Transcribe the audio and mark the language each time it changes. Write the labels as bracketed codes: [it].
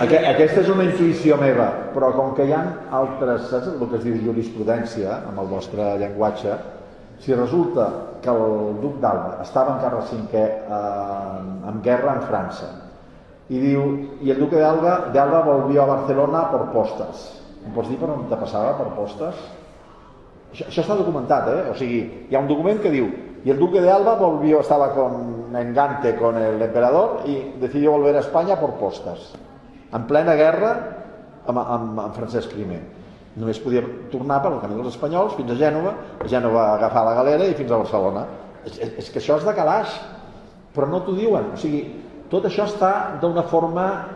[ca] Aquesta és una intuïció meva, però com que hi ha altres, saps el que es diu jurisprudència amb el vostre llenguatge, si resulta que el duc d'Alba estava en Carles V en guerra en França i diu, i el duc d'Alba [es] volvió a Barcelona [ca] per postes, em pots dir per on te passava per postes? Això està documentat, eh? O sigui, hi ha un document que diu [es] i el duque de Alba volvió, estava con Engante, con el emperador i decidió volver a Espanya por postas. [ca] En plena guerra amb Francesc I. Només podia tornar pel camí dels espanyols fins a Gènova, agafar la galera i fins a Barcelona. És que això és de calaix, però no t'ho diuen. O sigui, tot això està d'una forma...